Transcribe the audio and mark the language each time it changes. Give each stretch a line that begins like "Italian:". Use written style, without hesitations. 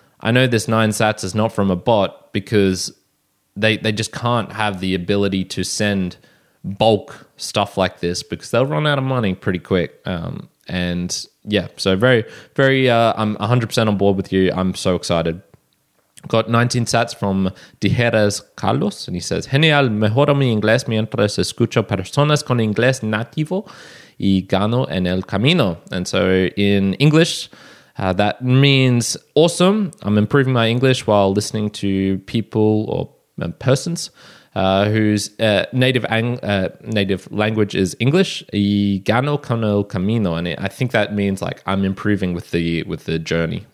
English: I know this 9 sats is not from a bot because they just can't have the ability to send bulk stuff like this because they'll run out of money pretty quick. And yeah, so very, very, I'm 100% on board with you. I'm so excited. Got 19 sats from Dijeras Carlos, and he says,
Spanish: genial, mejoro mi inglés mientras escucho personas con inglés nativo y gano en el camino.
English: And so in English, that means awesome. I'm improving my English while listening to people or persons whose native language is English,
Spanish: y gano con el camino.
English: And I think that means like I'm improving with the journey.